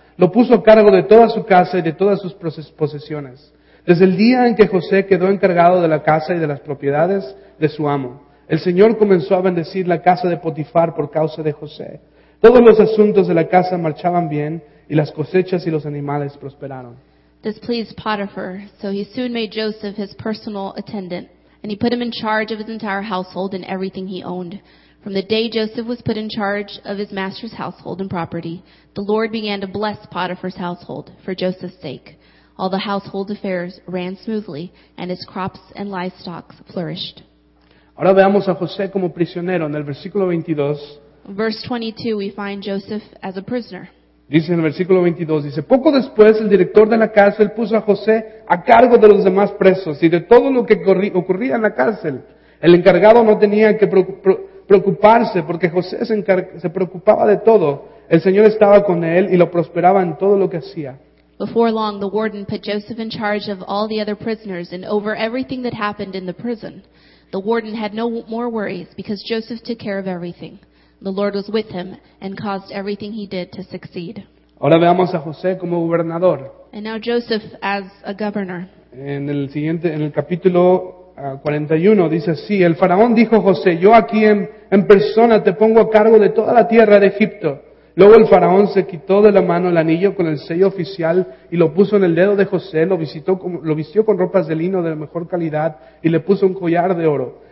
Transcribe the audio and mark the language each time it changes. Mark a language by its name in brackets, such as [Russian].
[Spanish] Lo puso a cargo de toda su casa y de todas sus posesiones. Desde el día en que José quedó encargado de la casa y de las propiedades de su amo, el Señor comenzó a bendecir la casa de Potifar por causa de José. Todos los asuntos de la casa marchaban bien y las cosechas y los animales prosperaron. [English] This pleased Potiphar, so he soon made Joseph his personal attendant, and he put him in charge of his entire household and everything he owned. From the day Joseph was put in charge of his master's household and property, the Lord began to bless Potiphar's household for Joseph's sake. All the household affairs ran smoothly, and his crops and livestock flourished. [Spanish] Ahora veamos a José como prisionero en el versículo 22. [English] Verse 22, we find Joseph as a prisoner. [Spanish] Dice en el versículo 22, dice, poco después el director de la cárcel puso a José a cargo de los demás presos y de todo lo que ocurría en la cárcel. El encargado no tenía que preocuparse porque José se preocupaba de todo. El Señor estaba con él y lo prosperaba en todo lo que hacía. [English] Before long, the warden put Joseph in charge of all the other prisoners and over everything that happened in the prison. The warden had no more worries because Joseph took care of everything. The Lord was with him and caused everything he did to succeed. [Spanish] Ahora veamos a José como gobernador. [English] And now Joseph as a governor. [Spanish] En el capítulo 41 dice así, el faraón dijo a José, yo aquí en persona te pongo a cargo de toda la tierra de Egipto. Luego el faraón se quitó de la mano el anillo con el sello oficial y lo puso en el dedo de José, lo vistió con ropas de lino de mejor calidad y le puso un collar de oro.